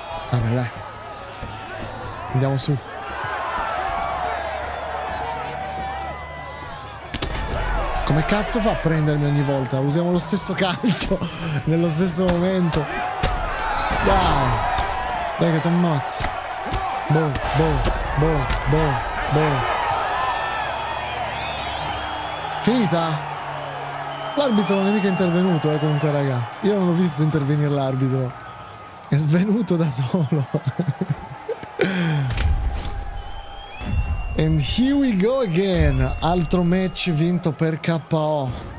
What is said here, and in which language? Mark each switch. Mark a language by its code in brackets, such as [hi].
[it] Vabbè, dai. Andiamo su. Come cazzo fa a prendermi ogni volta? Usiamo lo stesso calcio nello stesso momento. Dai. Dai che ti ammazzo. Boom, boom, boom, boom, boom. Finita? L'arbitro non è mica intervenuto, comunque, raga. Io non ho visto intervenire l'arbitro. È svenuto da solo. [en] And here we go again. [it] Altro match vinto per KO.